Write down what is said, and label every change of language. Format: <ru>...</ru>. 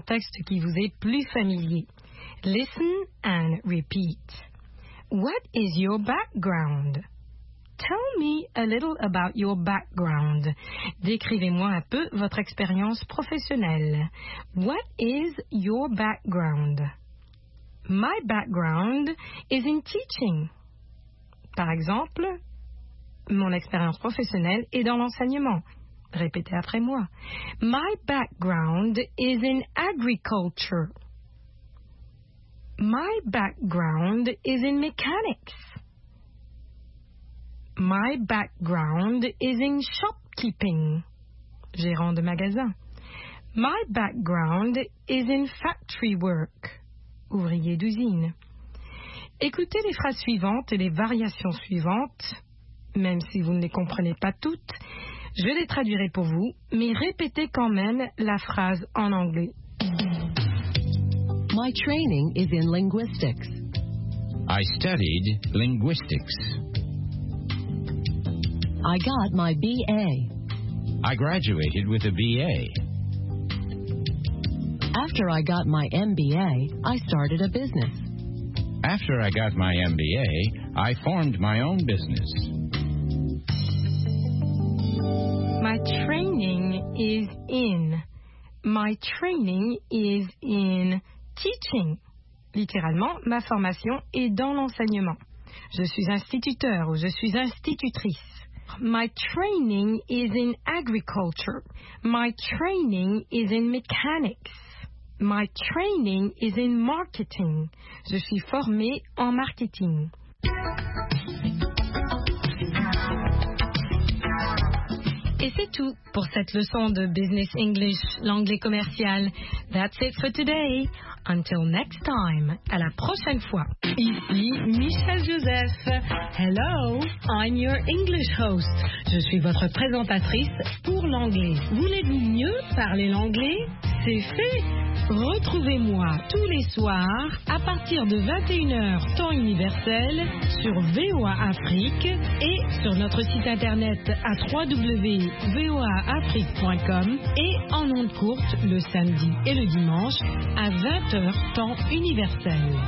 <fr>texte qui vous est plus familier.</fr> <en>Listen and repeat. What is your background? Tell me a little about your background.</en> <fr>Décrivez-moi un peu votre expérience professionnelle.</fr> <en>What is your background? My background is in teaching.</en> <fr>Par exemple, mon expérience professionnelle est dans l'enseignement. Répétez après moi.</fr> <en>My background is in agriculture. My background is in mechanics. My background is in shopkeeping.</en> <fr>Gérant de magasin.</fr> <en>My background is in factory work.</en> <fr>Ouvrier d'usine. Écoutez les phrases suivantes et les variations suivantes. Même si vous ne les comprenez pas toutes, je les traduirai pour vous, mais répétez quand même la phrase en anglais.</fr> <en>My training is in linguistics. I studied linguistics. I got my BA. I graduated with a BA. After I got my MBA, I started a business. After I got my MBA, I formed my own business. My training is in. My training is in teaching.</en> <fr>Littéralement, ma formation est dans l'enseignement. Je suis instituteur ou je suis institutrice.</fr> <en>My training is in agriculture. My training is in mechanics. My training is in marketing.</en> <fr>Je suis formée en marketing. Et c'est tout pour cette leçon de Business English, l'anglais commercial.</fr> <en>That's it for today. Until next time.</en> <fr>À la prochaine fois. Ici Michel Joseph.</fr> <en>Hello, I'm your English host.</en> <fr>Je suis votre présentatrice pour l'anglais. Voulez-vous mieux parler l'anglais? C'est fait. Retrouvez-moi tous les soirs à partir de 21h temps universel sur VOA Afrique et sur notre site internet à www.voaafrique.com et en ondes courtes le samedi et le dimanche à 20h temps universel.</fr>